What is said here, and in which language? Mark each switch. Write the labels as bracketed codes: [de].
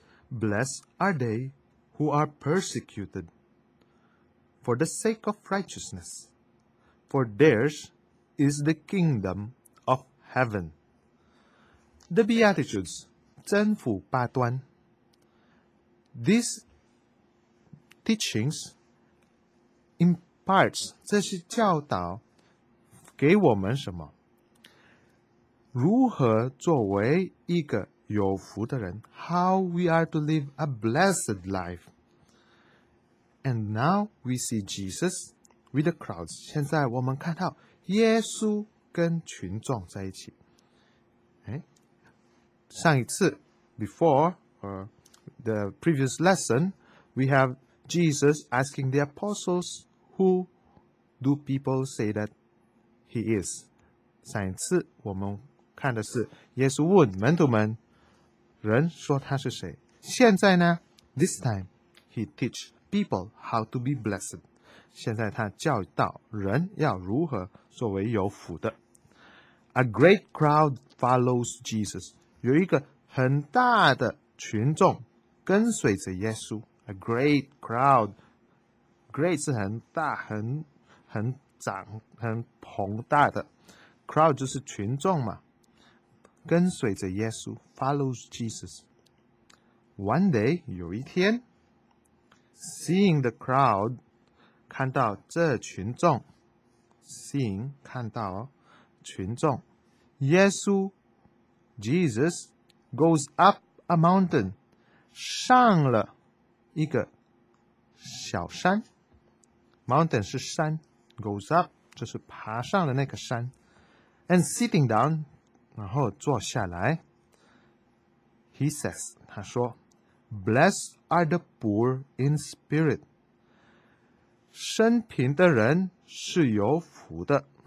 [en] Blessed are they who are persecuted for the sake of righteousness. For theirs is the kingdom of heaven. The Beatitudes, [zh] 真福八端. [en] These teachings,Imparts, [zh] 这是教导给我们什么？如何作为一个有福的人 [en] ?How we are to live a blessed life? And now we see Jesus with the crowds. [zh] 现在我们看到耶稣跟群众在一起。上一次 [en] before, or the previous lesson, we have Jesus asking the apostles,Who do people say that he is? [zh] 上一次我们看的是耶稣问门徒们，人说他是谁。现在呢 [en] ？This time he teach people how to be blessed. [zh] 现在他教导人要如何作为有福的。 [en] A great crowd follows Jesus. [zh] 有一个很大的群众跟随着耶稣。 A great crowd. Great 是很大、很长、很庞大的 crowd 就是群众嘛，跟随着耶稣 [en] follows Jesus. One day [zh] 有一天 [en] ，seeing the crowd [zh] 看到这群众 [en] ，seeing [zh] 看到群众，耶稣 [en] Jesus goes up a mountain [zh] 上了一个小山。 Mountain 是山 ， [en] goes up [zh] 就是爬上了那个山 ， [en] and sitting down [zh] 然后坐下来。 [en] He says [zh] 他说 [en] ，Blessed are the poor in spirit， [zh] 身贫的人是有福的。